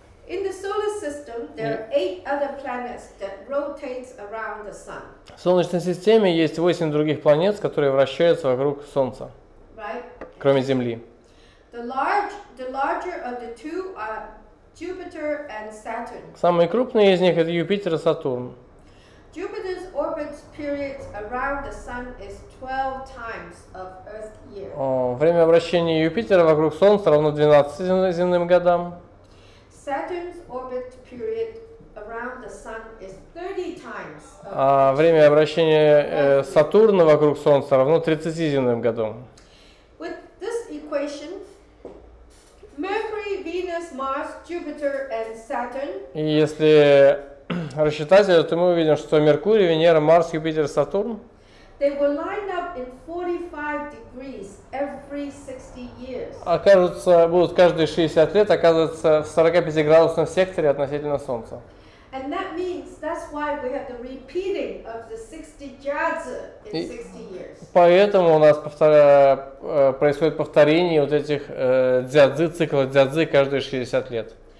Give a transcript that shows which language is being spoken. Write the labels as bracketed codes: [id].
[en] In the solar system, there are eight other planets that rotate around the sun. [ru] В Солнечной системе есть 8 других планет, которые вращаются вокруг Солнца. [en] Right. [ru] Кроме Земли. [en] The larger of the two are Jupiter and Saturn. [ru] Самые крупные из них — это Юпитер и Сатурн. [en] Jupiter's orbit period around the sun is 12 times of Earth's year. [ru] Время вращения Юпитера вокруг Солнца равно 12 земным годам. [en] Saturn's orbit period around the sun is 30 times. [ru] А время вращения Сатурна вокруг Солнца равно 30 земным годам. [en] With this equation, Mercury, Venus, Mars, Jupiter and Saturn. [ru] Если рассчитать это, мы увидим, что Меркурий, Венера, Марс, Юпитер, Сатурн. [en] They will line up in 45 degrees every 60 years. [ru] Окажутся, будут каждые 60 лет оказываться в 45-градусном секторе относительно Солнца. [en] And that means that's why we have the repeating of the 60 jazz in 60 years. [ru] Поэтому у нас происходит повторение вот этих дзядзы, цикла дзядзы каждые 60 лет.